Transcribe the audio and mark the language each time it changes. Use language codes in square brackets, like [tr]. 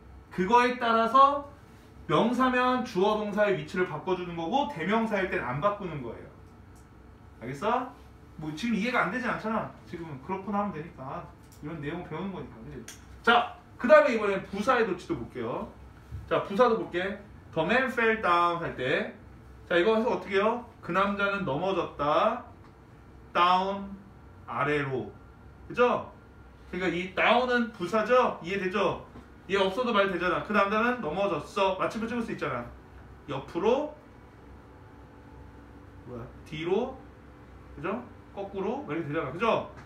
[ko] 그거에 따라서 명사면 주어 동사의 위치를 바꿔주는 거고 대명사일 땐 안 바꾸는 거예요. 알겠어? 뭐 지금 이해가 안 되지 않잖아. 지금 그렇구나 하면 되니까. 이런 내용 배우는 거니까. 그치? 자, 그 다음에 이번엔 부사의 도치도 볼게요. 자, 부사도 볼게. [en] The man fell down [ko] 할 때. 자, 이거 해서 어떻게 해요? 그 남자는 넘어졌다. down 아래로. 그죠? 그러니까 이 down은 부사죠? 이해되죠? 얘 없어도 말 되잖아. 그 남자는 넘어졌어. 마침표 찍을 수 있잖아. 옆으로, 뭐야, 뒤로, 그죠? 거꾸로, 이렇게 되잖아. 그죠?